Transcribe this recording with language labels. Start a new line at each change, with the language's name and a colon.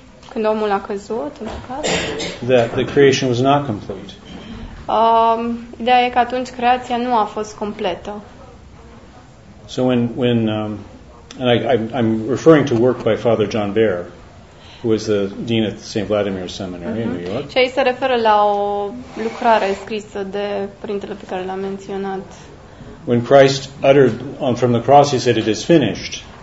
Romanian: Când omul a căzut, în păcat.
English: That the creation was not complete.
Romanian: Ideea e că atunci creația nu a fost completă.
English: So when and I'm referring to work by Father John Baer, who is the dean at the St. Vladimir Seminary in New York.
Romanian: Și aici se referă la o lucrare scrisă de părintele pe care l-am menționat.
English: When Christ uttered from the cross, he said, "It is finished."